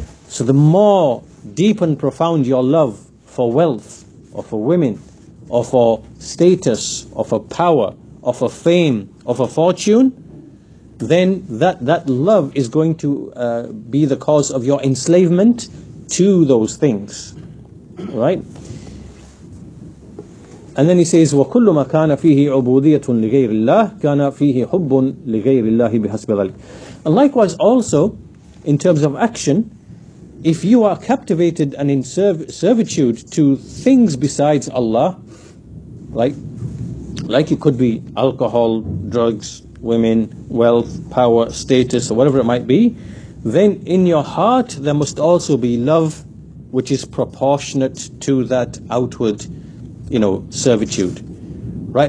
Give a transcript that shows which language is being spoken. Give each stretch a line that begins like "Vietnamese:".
English: So the more deep and profound your love for wealth or for women or for status or for power or for fame or for fortune, then that love is going to be the cause of your enslavement to those things, right? And then he says,
Arabic: وَكُلُّ مَا كَانَ فِيهِ عُبُودِيَّةٌ لِغَيْرِ اللَّهِ كَانَ فِيهِ حُبٌّ لِغَيْرِ اللَّهِ بِحَسْبِ ذَلِكَ.
English: And likewise also, in terms of action, if you are captivated and in servitude to things besides Allah, like it could be alcohol, drugs, women, wealth, power, status, or whatever it might be, then in your heart there must also be love which is proportionate to that outward, you know, servitude. Right?